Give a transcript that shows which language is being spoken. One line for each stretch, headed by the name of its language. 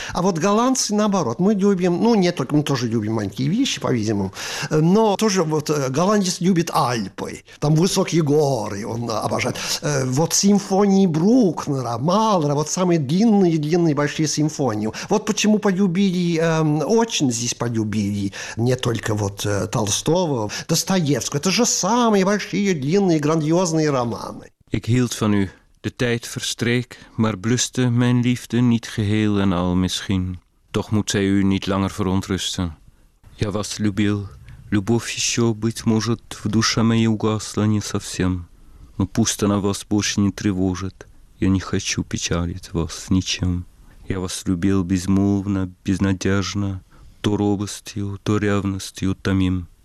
Russian: А вот голландцы наоборот. Мы любим, ну не только, мы тоже любим маленькие вещи, по-видимому, но тоже вот голландец любит Альпы, там высокие горы он обожает. Вот симфония Брукнера, Малера, вот самые длинные-длинные большие симфонии. Вот почему полюбили, очень здесь полюбили, не только вот Толстого, Достоевского. Это же самые большие, длинные, грандиозные романы.
Dutch: Ik hield van u, de tijd verstreek, maar bluste mijn liefde niet geheel en al misschien. Toch moet zij u niet langer verontrusten.
Russian: Я вас любил, любовь еще, быть может, в душе моей угасла не совсем. Но пусть она вас больше не тревожит. Я не хочу печалить вас ничем. Я вас любил безмолвно, безнадежно, то робостью, то ревностью томим.